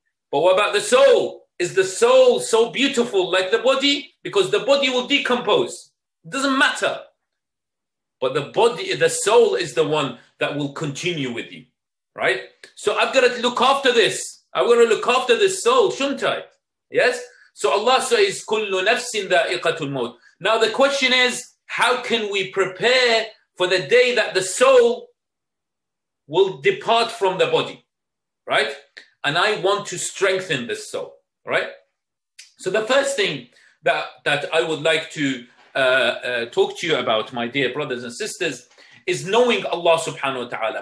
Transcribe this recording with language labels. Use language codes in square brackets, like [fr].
[en] But what about the soul? Is the soul so beautiful like the body? Because the body will decompose. It doesn't matter. But the body, the soul is the one that will continue with you, right? So I've got to look after this. I've got to look after this soul, shouldn't I? Yes? So Allah says, [ar] كُلُّ نَفْسٍ ذَائِقَةُ الْمَوْتِ. [en] Now the question is, how can we prepare for the day that the soul will depart from the body, right? And I want to strengthen this soul, right? So the first thing that I would like to talk to you about, my dear brothers and sisters, is knowing Allah subhanahu wa ta'ala.